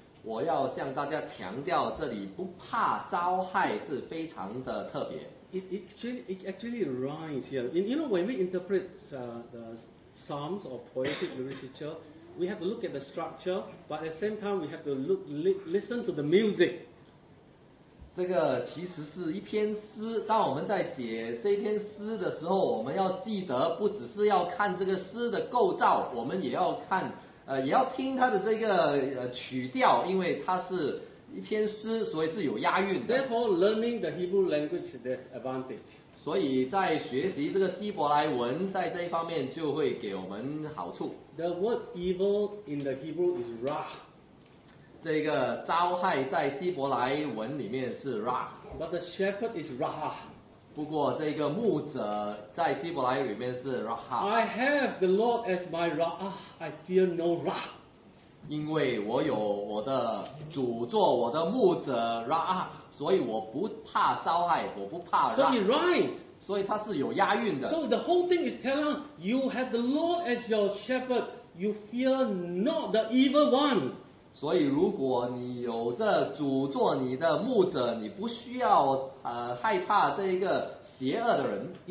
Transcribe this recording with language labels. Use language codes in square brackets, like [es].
[zh] 我要向大家强调，这里不怕遭害是非常的特别。 [en] It actually rhymes here. You know, when we interpret the psalms or poetic literature. We have to look at the structure, but at the same time, we have to listen to the music. [zh] 这个其实是一篇诗。当我们在解这篇诗的时候，我们要记得，不只是要看这个诗的构造，我们也要看，也要听它的这个曲调，因为它是一篇诗，所以是有押韵的。 [en] Therefore, learning the Hebrew language has an advantage. [zh] 所以在学习这个希伯来文，在这一方面就会给我们好处。 [en] The word evil in the Hebrew is ra. [zh] 这个遭害在希伯来文里面是 ra. [en] But the shepherd is ra. [zh] 不过这个牧者在希伯来里面是 ra. [en] I have the Lord as my ra. I fear no ra. [zh] 因为我有我的主做我的牧者 Ra， 所以我不怕遭害，我不怕 Ra。 [en] So it rhymes. [zh] 所以它是有押韵的。 [en] So the whole thing is telling you have the Lord as your shepherd, you fear not the evil one. [zh] 所以如果你有这主做你的牧者，你不需要害怕这一个邪恶的人。